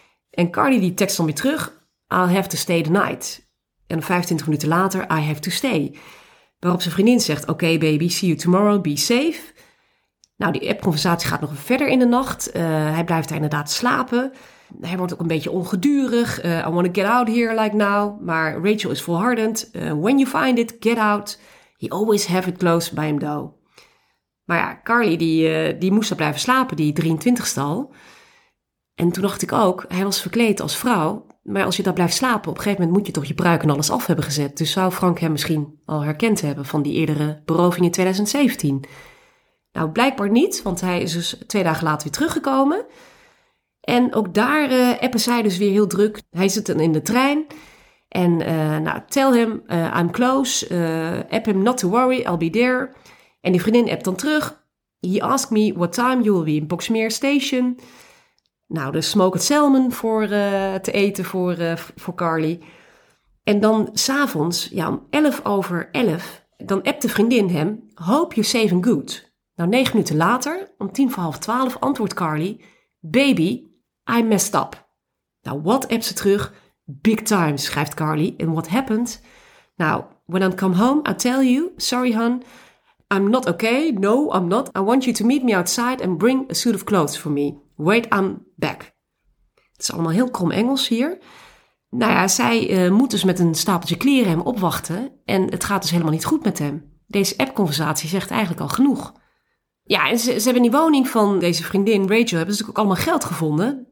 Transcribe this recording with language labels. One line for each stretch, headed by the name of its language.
Dutch: En Carly die tekst dan weer terug,
English: I'll have to stay the night.
Dutch: En 25 minuten later,
English: I have to stay.
Dutch: Waarop zijn vriendin zegt,
English: okay baby, see you tomorrow, be safe.
Dutch: Nou, die appconversatie gaat nog verder in de nacht. Hij blijft daar inderdaad slapen. Hij wordt ook een beetje ongedurig.
English: I want to get out here like now.
Dutch: Maar Rachel is volhardend.
English: When you find it, get out. He always have it close by him though.
Dutch: Maar ja, Carly die moest daar blijven slapen, die 23ste al. En toen dacht ik ook, hij was verkleed als vrouw. Maar als je daar blijft slapen, op een gegeven moment moet je toch je pruik en alles af hebben gezet. Dus zou Frank hem misschien al herkend hebben van die eerdere beroving in 2017? Nou, blijkbaar niet, want hij is dus 2 dagen later weer teruggekomen. En ook daar appen zij dus weer heel druk. Hij zit dan in de trein. En nou,
English: tell him I'm close. App him not to worry, I'll be there.
Dutch: En die vriendin appt dan terug.
English: He asked me what time you will be in Boxmeer Station.
Dutch: Nou, de smoked salmon voor te eten voor Carly. En dan s'avonds, ja, om 11:11, dan appt de vriendin hem,
English: hope you're safe and good.
Dutch: Nou, 9 minuten later, om 11:50, antwoordt Carly,
English: baby, I messed up.
Dutch: Nou, wat appt ze terug?
English: Big time, schrijft Carly. And what happened? Nou, when I come home, I tell you, sorry hon, I'm not okay, no, I'm not. I want you to meet me outside and bring a suit of clothes for me. Wait, I'm back.
Dutch: Het is allemaal heel krom Engels hier. Nou ja, zij moet dus met een stapeltje kleren hem opwachten. En het gaat dus helemaal niet goed met hem. Deze appconversatie zegt eigenlijk al genoeg. Ja, en ze hebben in die woning van deze vriendin Rachel hebben ze ook allemaal geld gevonden.